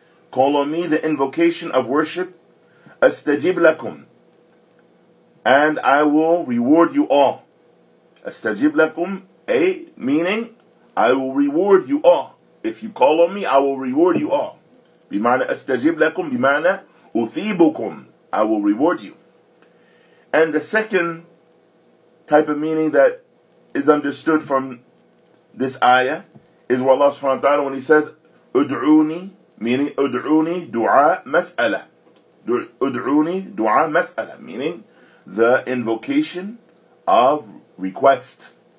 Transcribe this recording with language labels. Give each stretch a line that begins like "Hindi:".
English: Call on me, the invocation of worship,
Arabic: astajib lakum,
English: and I will reward you all.
Arabic: Astajib lakum,
English: a, meaning, I will reward you all. If you call on me, I will reward you all.
Arabic: بمعنى أستجيب لكم بمعنى أثيبكم
English: I will reward you. And the second type of meaning that is understood from this ayah is where Allah subhanahu wa ta'ala when he says
Arabic: أدعوني
English: meaning
Arabic: أدعوني دعاء مسألة أدعوني دعاء مسألة
English: meaning the invocation of request.